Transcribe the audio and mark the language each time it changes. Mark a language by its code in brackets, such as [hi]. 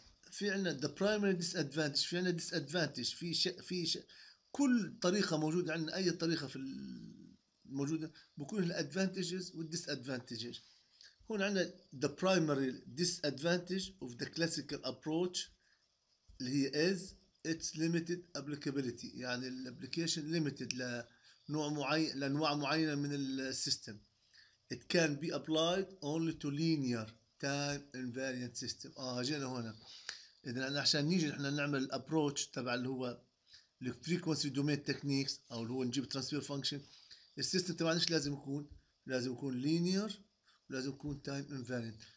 [ar] في عندنا [en] the primary disadvantage. [ar] في عندنا disadvantage في كل طريقه موجوده عندنا اي طريقه في الموجوده بكون الادفانتجز والديسادفانتجز. [en] هون عندنا the primary disadvantage of the classical approach [ar] اللي هي [en] is its limited applicability. [ar] يعني الابلكيشن ليميتد لنوع معين لانواع معينه من السيستم. [en] it can be applied only to linear time invariant system. [ar] جينا هنا اذا احنا عشان نيجي احنا نعمل الابروتش تبع اللي هو الفريكونسي دومين تكنيكس او اللي هو نجيب ترانسفير فانكشن السيستم تبعنا ايش لازم يكون؟ لازم يكون لينير ولازم يكون تايم انفاريانت.